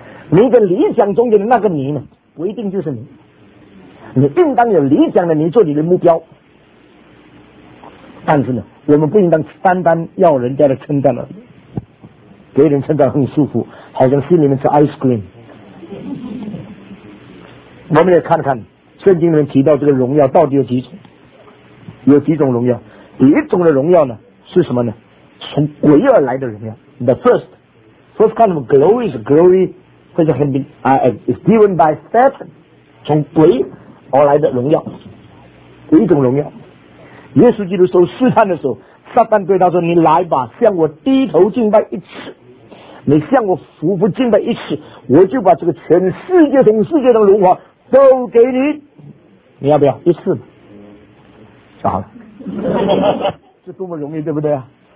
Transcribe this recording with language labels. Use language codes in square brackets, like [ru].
[zh] 你的理想中的那个你呢，不一定就是你。你应当有理想的你做你的目标，但是呢，我们不应当单单要人家的称赞了。别人称赞很舒服，好像心里面吃 ice cream。我们也看看圣经里面提到这个荣耀到底有几种，有几种荣耀。第一种的荣耀呢是什么呢？从鬼而来的荣耀。 [en] The first kind of glory is glory which can be, is given by Satan, [zh] 从鬼而来的荣耀，第一种荣耀。耶稣基督受试探的时候，撒旦对他说，你来吧，向我低头敬拜一次，你向我俯伏敬拜一次，我就把这个全世界同世界的荣华都给你，你要不要一次？就好了，这多么容易，对不对啊？